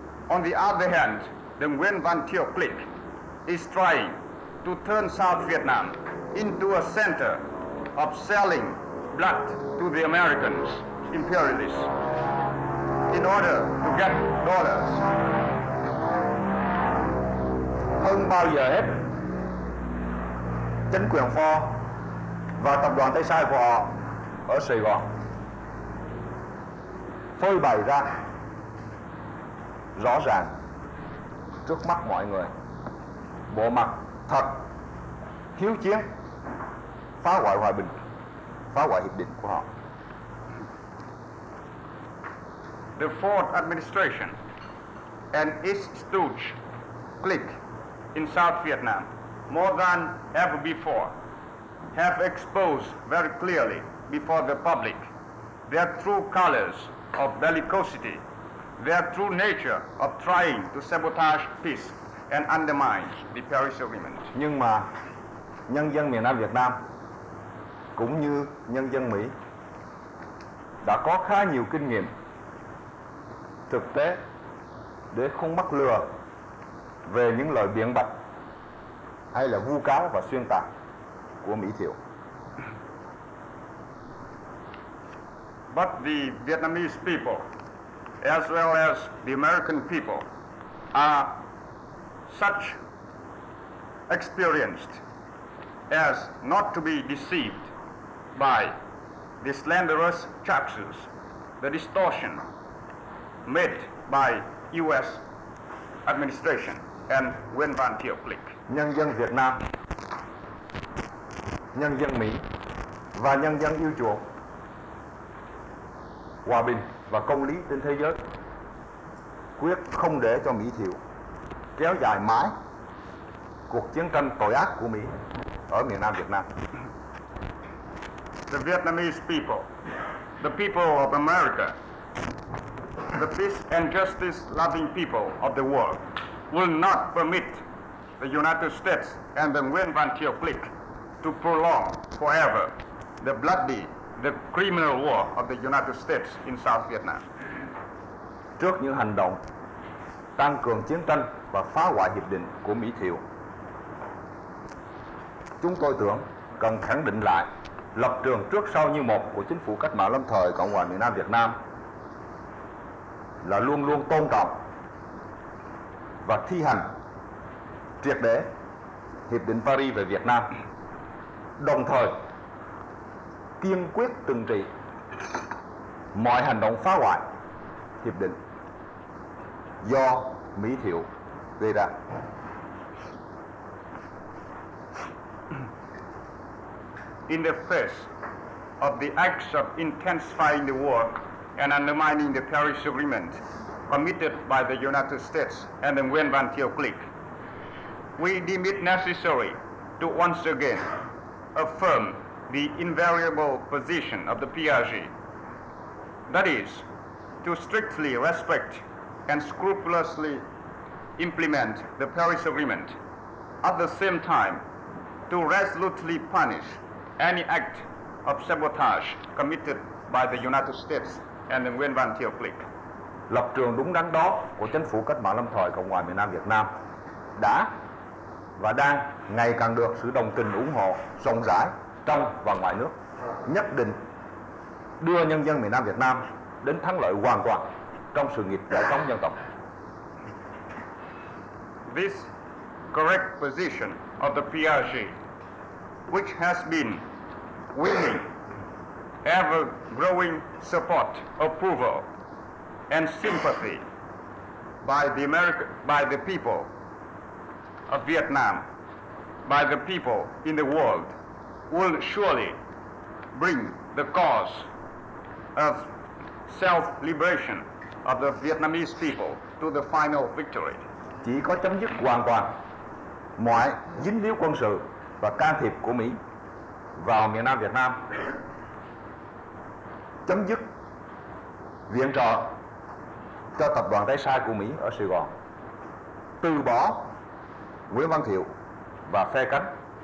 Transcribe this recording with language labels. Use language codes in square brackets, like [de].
[en] On the other hand, the Nguyễn Văn Thiệu clique is trying to turn South Vietnam into a center of selling blood to the Americans, imperialists, in order to get dollars. [vi] Hơn bao giờ hết, chính quyền Phò và tập đoàn Tây Sai của họ ở Sài Gòn phơi bày ra rõ ràng trước mắt mọi người bộ mặt thật hiếu chiến, phá hoại hòa bình, phá hoại hiệp định của họ. [en] The Ford administration and its stooge clique in South Vietnam, more than ever before, have exposed very clearly before the public their true colors of bellicosity, their true nature of trying to sabotage peace and undermine the Paris Agreement. [vi] Nhưng mà nhân dân miền Nam Việt Nam cũng như nhân dân Mỹ đã có khá nhiều kinh nghiệm thực tế để không mắc lừa về những lời biện bạch hay là vu cáo và xuyên tạc của Mỹ Thiệu. [en] But the Vietnamese people, as well as the American people, are such experienced as not to be deceived by the slanderous charges, the distortion made by U.S. administration and Nguyễn Văn Thiệu clique. [vi] Nhân dân Việt Nam, nhân dân Mỹ và nhân dân yêu chuộng hòa bình và công lý trên thế giới quyết không để cho Mỹ Thiệu kéo dài mãi cuộc chiến tranh tội ác của Mỹ ở miền Nam Việt Nam. [en] The Vietnamese people, the people of America, the peace and justice loving people of the world will not permit the United States and the Nguyen Van Thieu clique to prolong forever the bloody, the criminal war of the United States in South Vietnam. [vi] Trước những hành động tăng cường chiến tranh và phá hoại hiệp định của Mỹ Thiệu, chúng tôi tưởng cần khẳng định lại lập trường trước sau như một của chính phủ cách mạng lâm thời Cộng hòa miền Nam Việt Nam là luôn luôn tôn trọng và thi hành triệt để Hiệp định Paris về Việt Nam, đồng thời kiên quyết trừng trị mọi hành động phá hoại hiệp định do Mỹ Thiệu gây ra. [en] In the face of the acts of intensifying the war and undermining the Paris Agreement committed by the United States and the Nguyen Van Thieu clique, we deem it necessary to once again affirm the invariable position of the PRG, that is, to strictly respect and scrupulously implement the Paris Agreement, at the same time to resolutely punish any act of sabotage committed by the United States and the Nguyen Van Thieu clique. [vi] Lập trường đúng đắn đó của chính phủ cách mạng lâm thời Cộng hòa miền Nam Việt Nam đã và đang ngày càng được sự đồng tình ủng hộ rộng rãi trong và ngoài nước, nhất định đưa nhân dân miền Nam Việt Nam đến thắng lợi hoàn toàn trong sự nghiệp giải phóng dân tộc. [en] This correct position of the PRG, which has been winning ever growing support, approval and sympathy by the America, by the people of Vietnam, by the people in the world, will surely bring the cause of self-liberation of the Vietnamese people to the final victory. [vi] Chỉ có chấm dứt hoàn toàn mọi dính líu quân sự và can thiệp của Mỹ vào miền Nam Việt Nam, chấm dứt viện trợ cho tập đoàn tay sai của Mỹ ở Sài Gòn, từ bỏ Nguyễn Văn Thiệu và phe cánh